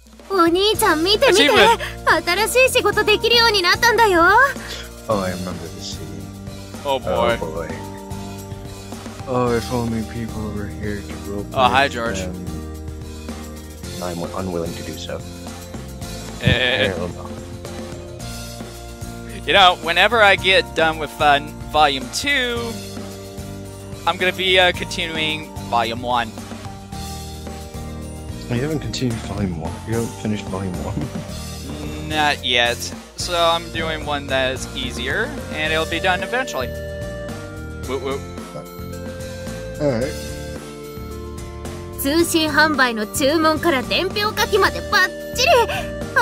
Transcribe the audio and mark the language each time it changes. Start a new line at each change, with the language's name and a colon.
Japanese: お兄ちゃん見て見て、新しい仕事できるようになったんだよ。
English: Oh, I remember the scene. Oh boy. Oh boy. Oh, if only people were here to roll. Oh, hi, George. I'm unwilling to do so. You know, whenever I get done with Volume 2, I'm gonna be continuing Volume 1. You haven't continued Volume 1? You haven't finished Volume 1? Not yet. So I'm doing one that is easier, and it'll be done eventually. Woop woop. Alright.
Japanese: 通信販売の注文から伝票書きまでバッチリ!